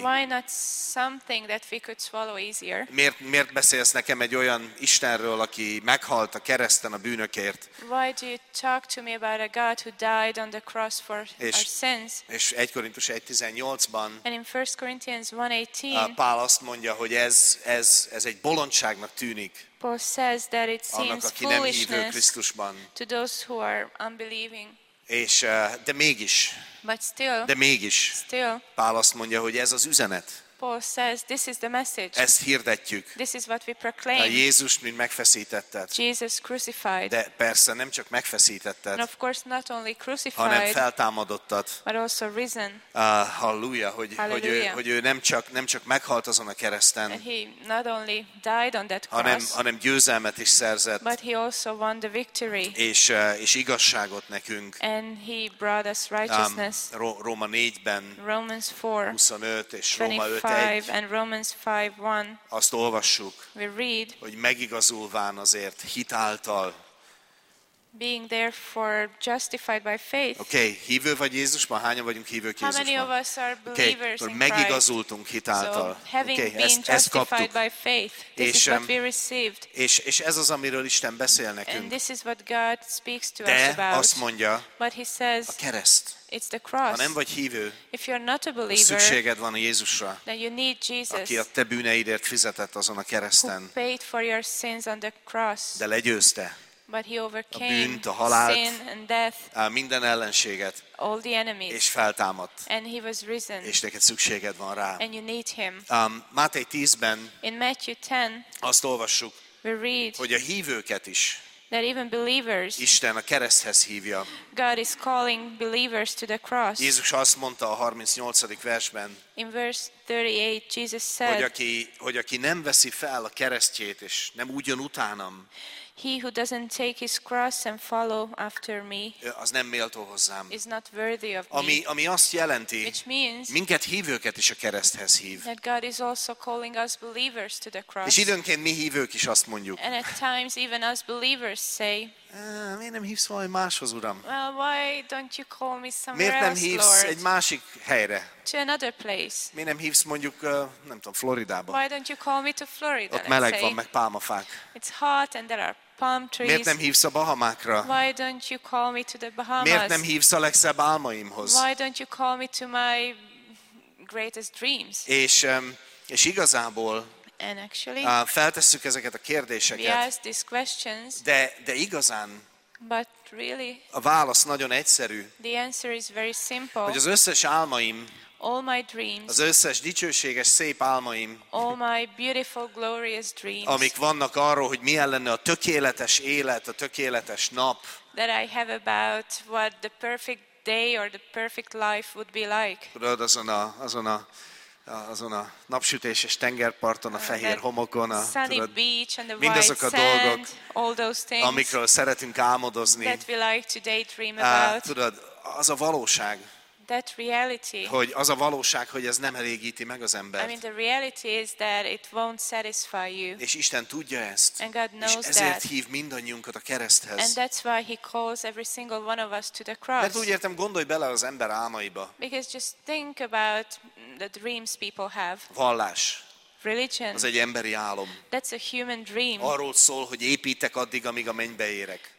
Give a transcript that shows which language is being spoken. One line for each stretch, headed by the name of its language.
English: Why not something that we could swallow easier?
Hungarian: Miért beszélsz nekem egy olyan Istenről, aki meghalt a kereszten a bűnökért?
English: Why do you talk to me about a God who died on the cross for our sins?
Hungarian: És 1 Korintus 1:18-ban.
English: And in 1 Corinthians 1:18.
Hungarian: Pál azt mondja, hogy ez egy bolondságnak tűnik.
English: Paul says that it seems foolishness to those who are unbelieving.
Hungarian: És de mégis.
English: But still,
Hungarian: de mégis.
English: Still,
Hungarian: Pál azt mondja, hogy ez az üzenet.
English: Paul says, this is the message.
Hungarian: Ezt hirdetjük.
English: This is what we proclaim.
Hungarian: A Jézus, mint megfeszítetted.
English: Jesus crucified.
Hungarian: De persze nem csak megfeszítetted.
English: And of course not only crucified.
Hungarian: Hanem feltámadottad.
English: But also risen.
Hungarian: Halleluja, hogy ő nem csak meghalt azon a kereszten.
English: And he not only died on that cross.
Hungarian: Hanem győzelmet is szerzett.
English: But he also won the victory.
Hungarian: És igazságot nekünk.
English: And he brought us righteousness.
Hungarian: Róma 4-ben.
English: Romans 4.
Hungarian: 25 és Róma 5.
English: 5 and Romans 5:1.
Hungarian: Azt olvassuk.
English: We read,
Hungarian: hogy megigazulván azért hit által.
English: Being therefore justified by faith.
Hungarian: Okay, hívő vagy Jézusban? Hányan vagyunk hívők Jézusban?
English: How many of us are believers?
Hungarian: Okay, megigazultunk hit által.
English: So, having okay, been
Hungarian: ezt
English: justified by faith. This is what we received.
Hungarian: És ez az, amiről Isten beszél nekünk.
English: And this is what God speaks to
Hungarian: De
English: us about.
Hungarian: De azt mondja.
English: But he says,
Hungarian: a kereszt.
English: It's the cross.
Hungarian: Ha nem vagy hívő,
English: if you're not a believer,
Hungarian: szükséged van a Jézusra,
English: then you need Jesus,
Hungarian: aki a te bűneidért fizetett azon a kereszten,
English: who paid for your sins on the cross,
Hungarian: de legyőzte
English: but he overcame
Hungarian: a bűnt, a halált,
English: sin and death,
Hungarian: minden ellenséget,
English: all the enemies,
Hungarian: és feltámadt,
English: and he was risen,
Hungarian: és neked szükséged van rá.
English: And you need him.
Hungarian: Máté 10-ben
English: in Matthew 10,
Hungarian: azt olvassuk,
English: we read,
Hungarian: hogy a hívőket is
English: that even believers,
Hungarian: Isten a kereszthez hívja.
English: God is calling believers to the cross.
Hungarian: Jézus azt mondta a 38. versben,
English: in verse 38, Jesus said,
Hungarian: hogy aki nem veszi fel a keresztjét, és nem úgy jön utánam,
English: he who doesn't take his cross and follow after me,
Hungarian: az nem méltó hozzám,
English: is not worthy of me.
Hungarian: Ami azt jelenti,
English: which means,
Hungarian: minket hívőket is a kereszthez hív.
English: That God is also calling us believers to the cross.
Hungarian: És időnként mi hívők is azt mondjuk.
English: And at times even us believers say,
Hungarian: miért nem hívsz valami máshoz, Uram?
English: Well, why don't you call me somewhere
Hungarian: miért nem hívsz
English: else, Lord?
Hungarian: Egy másik helyre?
English: To another place.
Hungarian: Miért nem hívsz mondjuk, nem tudom, Floridába?
English: Why don't you call me to Florida?
Hungarian: Ott meleg van, meg pálmafák.
English: It's hot and there are palm trees.
Hungarian: Miért nem hívsz a Bahamákra?
English: Why don't you call me to the Bahamas?
Hungarian: Miért nem hívsz a legszebb álmaimhoz?
English: Why don't you call me to my greatest dreams?
Hungarian: És igazából
English: And actually,
Hungarian: feltesszük ezeket a kérdéseket.
English: We ask these questions.
Hungarian: De igazán.
English: But really.
Hungarian: A válasz nagyon egyszerű.
English: The answer is very simple.
Hungarian: Hogy az összes álmaim.
English: All my dreams.
Hungarian: Az összes dicsőséges szép álmaim.
English: All my beautiful glorious dreams.
Hungarian: Amik vannak arról, hogy milyen lenne a tökéletes élet, a tökéletes nap.
English: That I have about what the perfect day or the perfect life would be like.
Hungarian: Tudod, azon a napsütéses tengerparton, a fehér homokon, a mindazok a dolgok,
English: sand,
Hungarian: amikről szeretünk álmodozni.
English: That we like to daydream about.
Hungarian: Tudod, az a valóság.
English: That reality.
Hungarian: Hogy az a valóság, hogy ez nem elégíti meg az embert.
English: I mean, the reality is that it won't satisfy you.
Hungarian: És Isten tudja ezt.
English: And God knows
Hungarian: that. És ezért
English: that.
Hungarian: Hív mindannyiunkat a kereszthez.
English: And that's why he calls every single one of us to the cross.
Hungarian: Mert úgy értem, gondolj bele az ember álmaiba.
English: Because just think about the dreams people have.
Hungarian: Vallás.
English: Religion.
Hungarian: Az egy emberi álom.
English: That's a human dream.
Hungarian: Arról szól, hogy építek addig, amíg a mennybe érek.